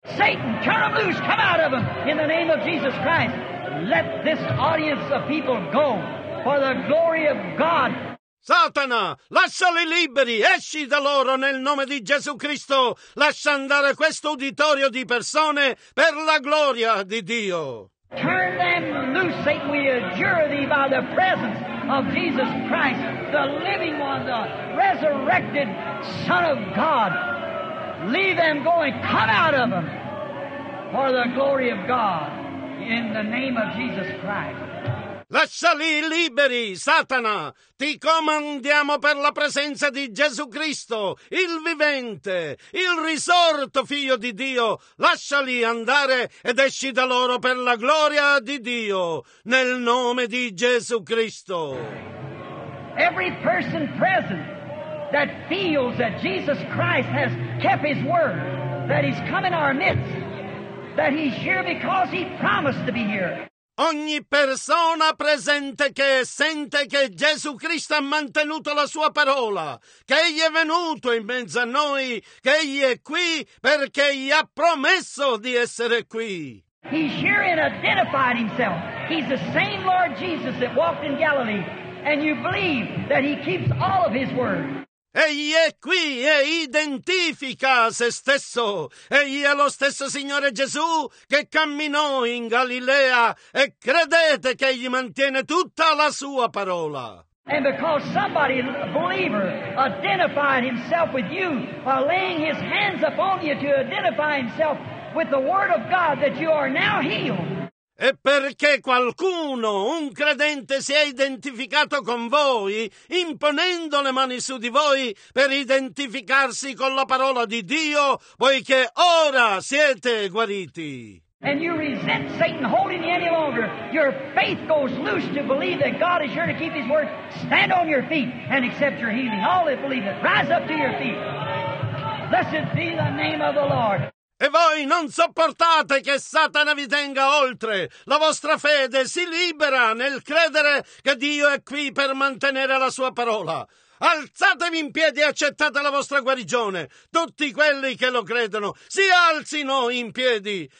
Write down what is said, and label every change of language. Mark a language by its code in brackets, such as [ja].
[en] Satan, turn him loose, come out of him, in the name of Jesus Christ. Let this audience of people go for the glory of God. [it] Satana, lasciali liberi, esci da loro nel nome di Gesù Cristo. Lascia andare questo uditorio di persone per la gloria di Dio. [en] Turn them loose. through, Satan. We adjure thee by the presence of Jesus Christ, the living one, the resurrected Son of God. Leave them going. Come out of them for the glory of God in the name of Jesus Christ. [it] Lasciali liberi, Satana! Ti comandiamo per la presenza di Gesù Cristo, il vivente, il risorto Figlio di Dio. Lasciali andare ed esci da loro per la gloria di Dio, nel nome di Gesù Cristo. [en] Every person present that feels that Jesus Christ has kept his word, that he's come in our midst, that he's here because he promised to be here. [it] Ogni persona presente che sente che Gesù Cristo ha mantenuto la sua parola, che egli è venuto in mezzo a noi, che egli è qui perché gli ha promesso di essere qui. [en] He's here and identified himself. He's the same Lord Jesus that walked in Galilee, and you believe that he keeps all of his word. [it] Egli è qui e identifica se stesso. Egli è lo stesso Signore Gesù che camminò in Galilea e credete che egli mantiene tutta la sua parola. [en] And because somebody, a believer, identified himself with you by laying his hands upon you to identify himself with the word of God that you are now healed. [it] E perché qualcuno, un credente, si è identificato con voi, imponendo le mani su di voi per identificarsi con la parola di Dio, poiché ora siete guariti. [en] And you resent Satan holding you any longer. Your faith goes loose to believe that God is here to keep his word. Stand on your feet and accept your healing. All that believe it, rise up to your feet. Blessed be the name of the Lord. [it] E voi non sopportate che Satana vi tenga oltre. La vostra fede si libera nel credere che Dio è qui per mantenere la sua parola. Alzatevi in piedi e accettate la vostra guarigione. Tutti quelli che lo credono si alzino in piedi.